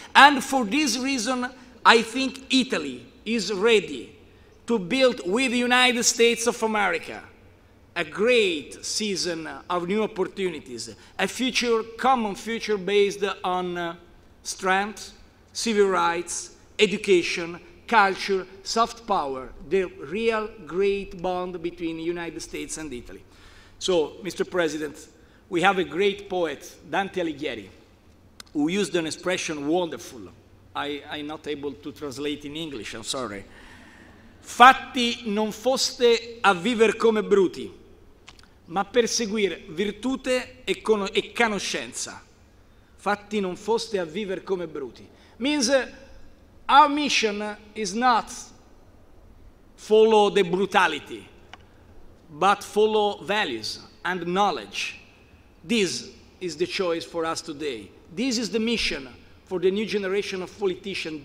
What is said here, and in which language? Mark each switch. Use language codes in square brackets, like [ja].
[en] And for this reason, I think Italy is ready to build with the United States of America a great season of new opportunities, a future, common future based on strength, civil rights, education, culture, soft power, the real great bond between the United States and Italy. So, Mr. President, we have a great poet, Dante Alighieri, who used an expression wonderful. I'm not able to translate in English, I'm sorry. [it] Fatti non foste a viver come bruti, ma per seguire virtute e conoscenza. Fatti non foste a viver come bruti. [en] Means our mission is not follow the brutality, but follow values and knowledge. This is the choice for us today. This is the mission for the new generation of politicians.